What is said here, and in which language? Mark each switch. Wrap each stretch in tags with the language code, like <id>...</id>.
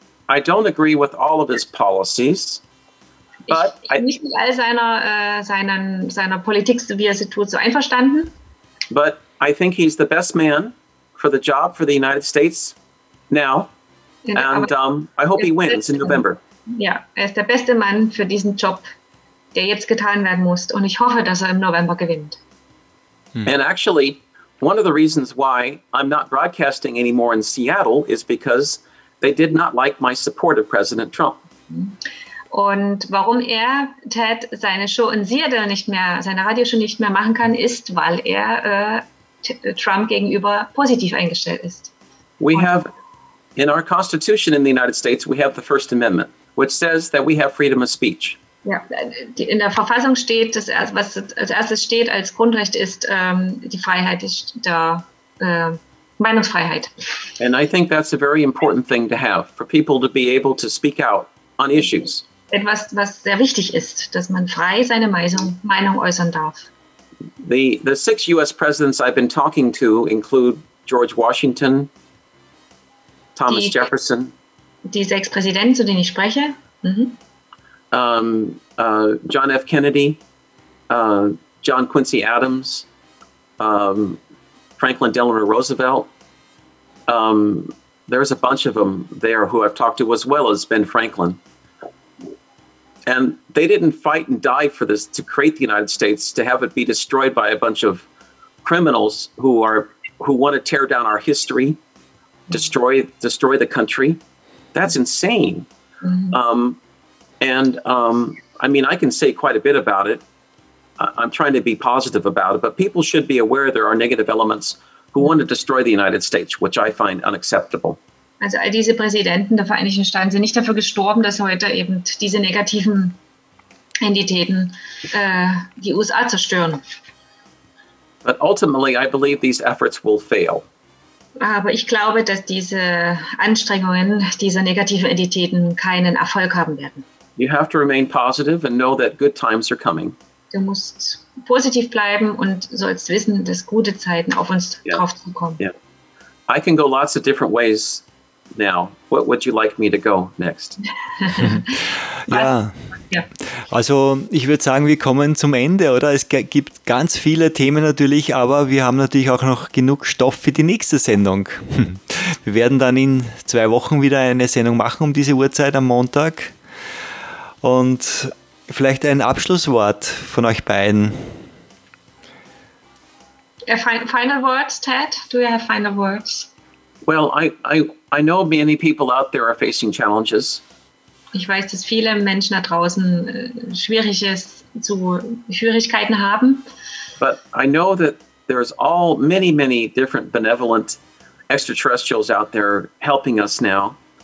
<en>I don't agree with all of his policies. But</en> <de>ich bin nicht mit all seiner Politik, wie er sie tut, so einverstanden.</de> <en>But I think he's the best man for the job for the United States now. And I hope he wins in November.</en> <de>Ja, er ist der beste Mann für diesen Job, der jetzt getan werden muss. Und ich hoffe, dass er im November gewinnt.</de> <en>And actually, one of the reasons why I'm not broadcasting anymore in Seattle is because they did not like my support of President Trump.</en> <de>Und warum er, Ted, seine Show in Seattle nicht mehr, seine Radio schon nicht mehr machen kann, ist, weil er Trump gegenüber positiv eingestellt ist.</de> <en>We have... In our Constitution in the United States, we have the First Amendment, which says that we have freedom of speech.</en> <de>Ja, in der Verfassung steht, dass was als erstes steht als Grundrecht ist die Freiheit der Meinungsfreiheit.</de> <en>And I think that's a very important thing to have for people to be able to speak out on issues.</en> <de>Etwas, was sehr wichtig ist, dass man frei seine Meinung äußern darf.</de> <en>The six U.S. presidents I've been talking to include George Washington, Thomas Jefferson.</en> <de>Die sechs Präsidenten, zu denen ich spreche.</de> <en>John F. Kennedy, John Quincy Adams, Franklin Delano Roosevelt. There's a bunch of them there who I've talked to, as well as Ben Franklin. And they didn't fight and die for this, to create the United States, to have it be destroyed by a bunch of criminals who want to tear down our history, destroy the country. That's insane. I can say quite a bit about it. I'm trying to be positive about it, but people should be aware there are negative elements who want to destroy the United States, which I find unacceptable.</en> <de>Also all diese Präsidenten der Vereinigten Staaten sind nicht dafür gestorben, dass heute eben diese negativen Entitäten die USA zerstören.</de> <en>But ultimately, I believe these efforts will fail.</en> <de>Aber ich glaube, dass diese Anstrengungen dieser negativen Entitäten keinen Erfolg haben werden.</de> <en>You have to remain positive and know that good times are coming.</en> <de>Du musst positiv bleiben und sollst wissen, dass gute Zeiten auf uns drauf zukommen.</de> <en>Yeah. I can go lots of different ways. Now, what would you like me to go next?</en> <de>Ja. Also, ich würde sagen, wir kommen zum Ende, oder? Es gibt ganz viele Themen natürlich, aber wir haben natürlich auch noch genug Stoff für die nächste Sendung. Wir werden dann in 2 Wochen wieder eine Sendung machen um diese Uhrzeit am Montag. Und vielleicht ein Abschlusswort von euch beiden.</de> <en>Final words, Ted? Do you have final words? Well, I know many people out there are facing challenges.</en> <de>Ich weiß, dass viele Menschen da draußen Schwierigkeiten haben.</de> <en>But I know that there's all many, many different benevolent extraterrestrials out there helping us now.</en>